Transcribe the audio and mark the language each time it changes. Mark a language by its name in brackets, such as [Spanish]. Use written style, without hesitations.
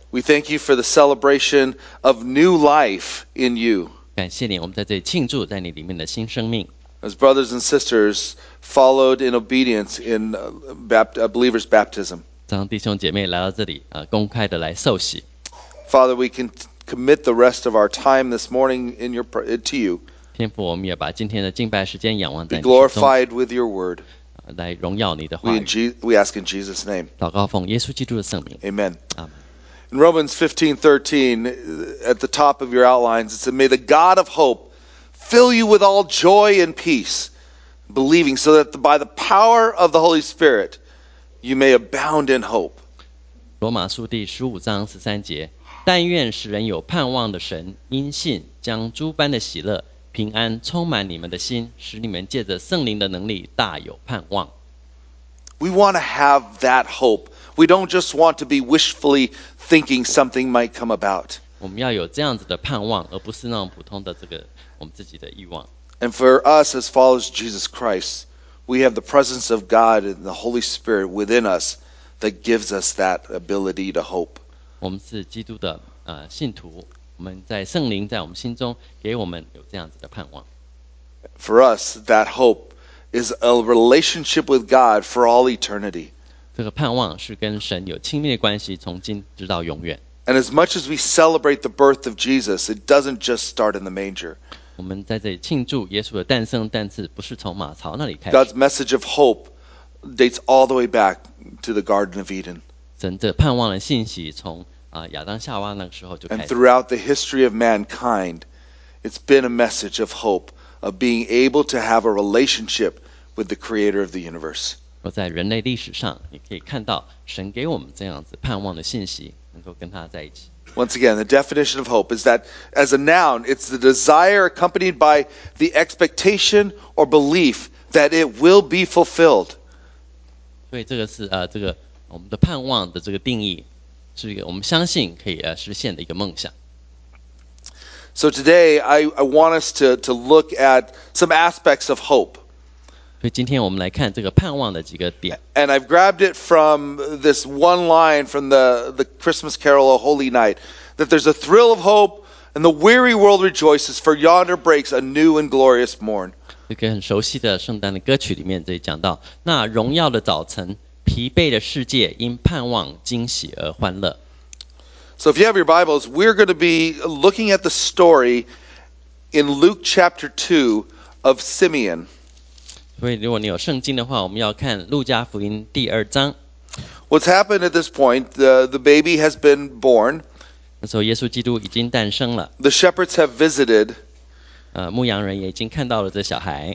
[English] We thank you for the celebration of new life in you. [Chinese] 感谢你，我们在这里庆祝在你里面的新生命。 [English] As brothers and sisters followed in obedience in believers' baptism. [Chinese] 当弟兄姐妹来到这里，公开的来受洗。 [English] Father, we can commit the rest of our time this morning to you. [Chinese] 天父，我们也把今天的敬拜时间仰望在你手中。 [English] Be glorified with your word. [Chinese] 来荣耀你的话语。 [English] We ask in Jesus' name. [Chinese] 祷告奉耶稣基督的圣名。 [English] Amen. In Romans 15:13, at the top of your outlines, it said, "May the God of hope fill you with all joy and peace, believing so that by the power of the Holy Spirit you may abound in hope." [Chinese] 罗马书第十五章十三节，但愿使人有盼望的神，因信将诸般的喜乐。平安充满你们的心，使你们借着圣灵的能力大有盼望。 [English] We want to have that hope. We don't just want to be wishfully thinking something might come about. [Chinese] 我们要有这样子的盼望，而不是那种普通的这个我们自己的欲望。 [English] And for us as followers of Jesus Christ, we have the presence of God and the Holy Spirit within us that gives us that ability to hope. [Chinese] 我们是基督的信徒。我们在圣灵在我们心中给我们有这样子的盼望。 [English] For us, that hope is a relationship with God for all eternity. [Chinese] 这个盼望是跟神有亲密的关系，从今直到永远。 [English] And as much as we celebrate the birth of Jesus, it doesn't just start in the manger. [Chinese] 我们在这里庆祝耶稣的诞生，但是不是从马槽那里开始。 [English] God's message of hope dates all the way back to the Garden of Eden. [Chinese] 神的盼望的信息从亚当夏娃那个时候就开始。 [English] And throughout the history of mankind, it's been a message of hope of being able to have a relationship with the Creator of the universe. [Chinese] 我在人类历史上，你可以看到神给我们这样子盼望的信息。 [English] Once again, the definition of hope is that as a noun, it's the desire accompanied by the expectation or belief that it will be fulfilled. [Chinese] 所以这个是这个我们的盼望的这个定义，是一个我们相信可以实现的一个梦想。 [English] So today, I want us to look at some aspects of hope. [Chinese] 所以今天我们来看这个盼望的几个点。 [English] And I've grabbed it from this one line from the Christmas carol, O Holy Night, that there's a thrill of hope and the weary world rejoices, for yonder breaks a new and glorious morn. [Chinese] 这个很熟悉的圣诞的歌曲里面这里讲到，那荣耀的早晨，疲惫的世界因盼望惊喜而欢乐。 [English] So if you have your Bibles, we're going to be looking at the story in Luke chapter 2 of Simeon. [Chinese] 所以如果你有圣经的话，我们要看路加福音第二章。 [English] What's happened at this point? The baby has been born. [Chinese] 那时候耶稣基督已经诞生了。 [English] The shepherds have visited. [Chinese] 牧羊人也已经看到了这小孩。